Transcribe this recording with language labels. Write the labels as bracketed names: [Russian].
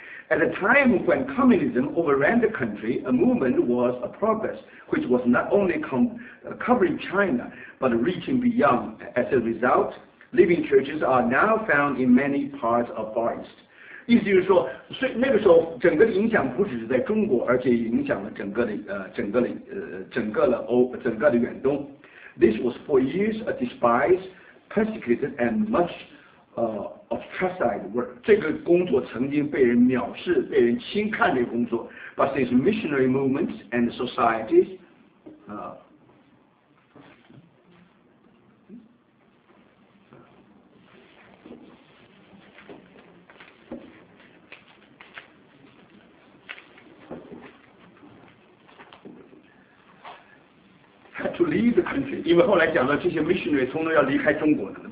[English] At a time when communism overran the country, a movement was a progress which was not only covering China, but reaching beyond. As a result, living churches are now found in many parts of Far East. [Chinese] 意思就是说，所以那个时候整个的影响不只是在中国，而且影响了整个的远东。 [English] This was for years a despised, persecuted, and much ostracized work. [Chinese] 这个工作曾经被人藐视，被人轻看的工作。 [English] But since missionary movements and societies, had to leave the country， [Chinese] 因为后来讲到这些 missionary 通通要离开中国了。